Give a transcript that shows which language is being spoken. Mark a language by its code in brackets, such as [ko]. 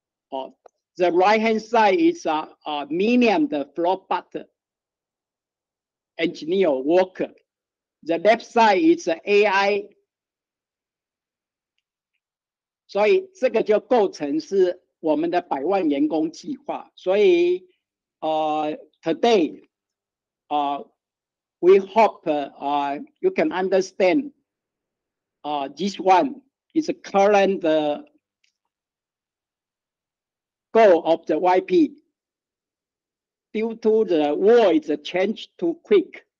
[en] The right hand side is a minimum the flow bot engineer worker. The left side is AI. [zh] 所以这个就构成是我们的百万员工计划。所以 [en] today, we hope you can understand this one is a current the. Goal of the YP. Due to the world is change too quick.